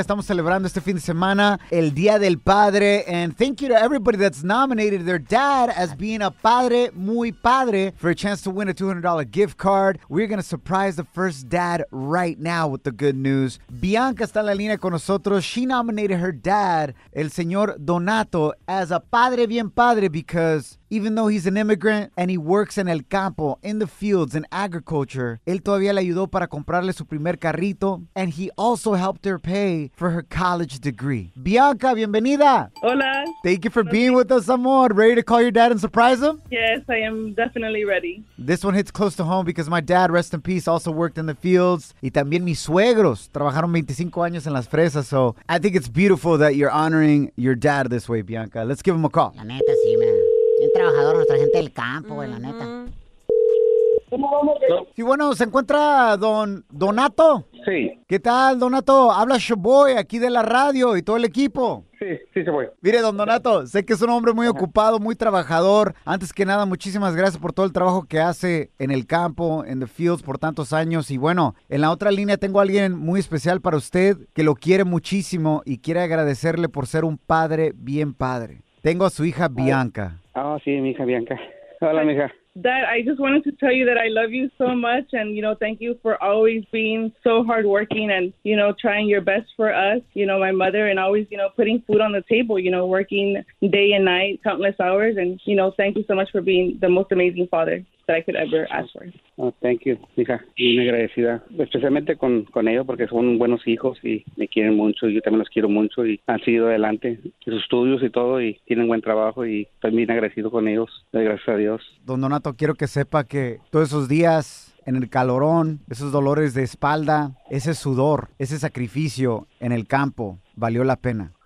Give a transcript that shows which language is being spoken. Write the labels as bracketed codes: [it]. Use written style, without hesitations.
[es] Estamos celebrando este fin de semana el Día del Padre. [en] And thank you to everybody that's nominated their dad as being a [es] padre muy padre [en] for a chance to win a $200 gift card. We're going to surprise the first dad right now with the good news. [es] Bianca está en la línea con nosotros. [en] She nominated her dad, [es] el señor Donato, [en] as a [es] padre bien padre [en] because even though he's an immigrant and he works in [es] el campo, [en] in the fields, in agriculture, [es] él todavía le ayudó para comprarle su primer carrito, [en] and he also helped her pay for her college degree. [es] Bianca, bienvenida. Hola. [en] Thank you for being with us, [es] amor. [en] Ready to call your dad and surprise him? Yes, I am definitely ready. This one hits close to home because my dad, rest in peace, also worked in the fields. [es] Y también mis suegros trabajaron 25 años en las fresas. [en] So I think it's beautiful that you're honoring your dad this way, Bianca. Let's give him a call. [es] La neta, sí, man. Un trabajador, nuestra gente del campo, güey, la neta. ¿Cómo vamos? Sí, bueno, ¿se encuentra don Donato? Sí. ¿Qué tal, Donato? Habla Shaboy aquí de la radio y todo el equipo. Sí, sí, Shaboy. Mire, don Donato, sé que es un hombre muy ocupado, muy trabajador. Antes que nada, muchísimas gracias por todo el trabajo que hace en el campo, en [en] the fields, [es] por tantos años. Y bueno, en la otra línea tengo a alguien muy especial para usted que lo quiere muchísimo y quiere agradecerle por ser un padre bien padre. Tengo a su hija Bianca. Oh, sí, mi hija Bianca. Hola, mi hija. [en] Dad, I just wanted to tell you that I love you so much and, you know, thank you for always being so hardworking and, you know, trying your best for us, you know, my mother, and always, you know, putting food on the table, you know, working day and night, countless hours, and, you know, thank you so much for being the most amazing father that I could ever ask for. Oh, thank you, hija. [es] Muy agradecida. Especialmente con ellos porque son buenos hijos y me quieren mucho. Yo también los quiero mucho y han seguido adelante en sus estudios y todo y tienen buen trabajo y también agradecido con ellos. Gracias a Dios. Don Donato, quiero que sepa que todos esos días en el calorón, esos dolores de espalda, ese sudor, ese sacrificio en el campo, valió la pena.